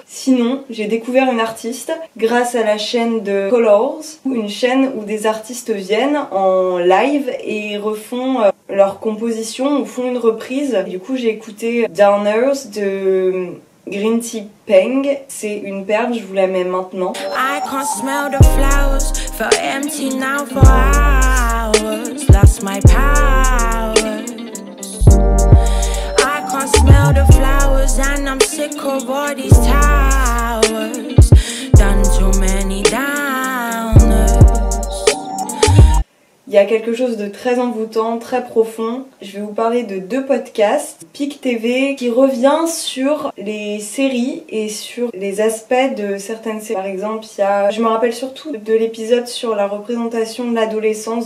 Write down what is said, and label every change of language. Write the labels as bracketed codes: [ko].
[fr] Sinon, j'ai découvert une artiste grâce à la chaîne de Colors, une chaîne où des artistes viennent en live et refont leur composition ou font une reprise. Du coup, j'ai écouté Downers de Green Tea Peng, c'est une perle, je vous la mets maintenant. [en] I can't smell the flowers, felt empty now for hours, lost my powers. I can't smell the flowers and I'm sick of all these towers, done too many downers. [fr] Il y a quelque chose de très envoûtant, très profond. Je vais vous parler de 2 podcasts. Pic TV qui revient sur les séries et sur les aspects de certaines séries. Par exemple, je me rappelle surtout de l'épisode sur la représentation de l'adolescence.